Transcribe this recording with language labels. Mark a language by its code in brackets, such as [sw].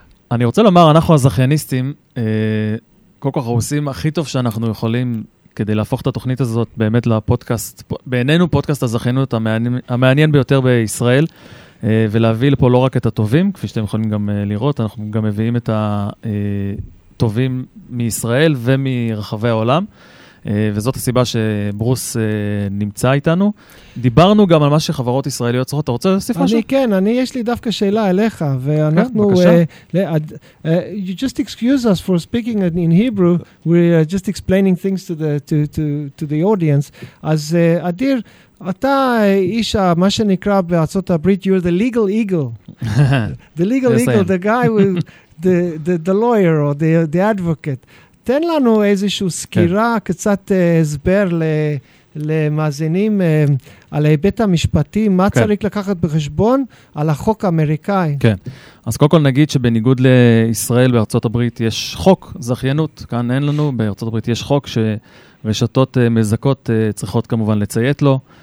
[he] אני רוצה לומר, אנחנו הזכייניסטים, כל כך עושים הכי טוב שאנחנו יכולים כדי להפוך את התוכנית הזאת באמת לפודקאסט, בעינינו פודקאסט הזכיינות המעניין ביותר בישראל, ולהביא לפה לא רק את הטובים, כפי שאתם יכולים גם לראות, אנחנו גם מביאים את הטובים מישראל ומרחבי העולם, וזאת הסיבה שברוס נמצא איתנו. דיברנו גם על מה שחברות ישראליות צריכות, אתה רוצה להוסיף משהו? אני יש לי דווקא שאלה אליך, ואנחנו... [en] you just excuse us for speaking in Hebrew, we're just explaining things to the audience. [he] אז אדיר, אתה איש, מה שנקרא בארצות הברית, [en] you're the legal eagle. The legal eagle, the guy with the lawyer or the advocate. [he] תן לנו איזושהי סקירה, קצת הסבר למאזינים על היבט המשפטי, מה צריך לקחת בחשבון על החוק האמריקאי. כן. אז קודם כל נגיד שבניגוד לישראל בארצות הברית יש חוק זכיינות, כאן אין לנו, בארצות הברית יש חוק שרשתות מזכות צריכות כמובן לציית לו.